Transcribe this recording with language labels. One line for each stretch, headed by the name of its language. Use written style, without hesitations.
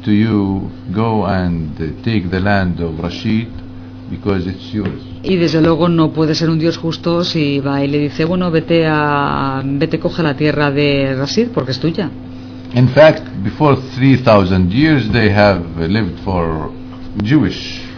English: to you, go and take the land of Rashid, because it's yours.
Spanish: Y desde luego no puede ser un dios justo si va y le dice, bueno, vete coge la tierra de Rashid porque es tuya.
English: In fact, before 3000 years they have lived for Jewish.